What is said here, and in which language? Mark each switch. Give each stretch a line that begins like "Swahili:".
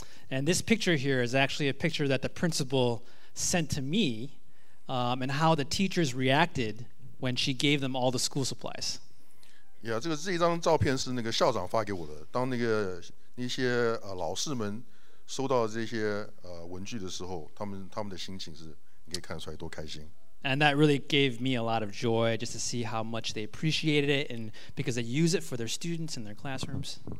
English: And this picture here is actually a picture that the principal sent to me, and how the teachers reacted when she gave them all the school supplies.
Chinese: Yeah, 这张照片是那个校长发给我的。当那个那些老师们收到这些文具的时候，他们的心情是，你可以看出来多开心。
English: And that really gave me a lot of joy just to see how much they appreciated it, and because they use it for their students in their classrooms.